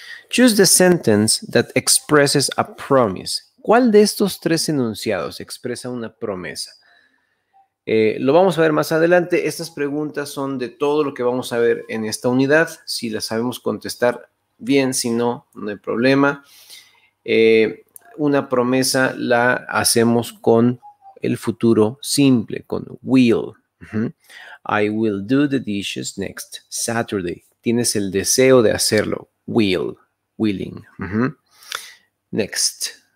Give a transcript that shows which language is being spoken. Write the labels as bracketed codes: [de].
[en] Choose the sentence that expresses a promise. [es] ¿Cuál de estos 3 enunciados expresa una promesa? Lo vamos a ver más adelante. Estas preguntas son de todo lo que vamos a ver en esta unidad. Si las sabemos contestar bien, si no, no hay problema. Una promesa la hacemos con el futuro simple, con will. [en] I will do the dishes next Saturday. [es] Tienes el deseo de hacerlo. Will. Willing. Next.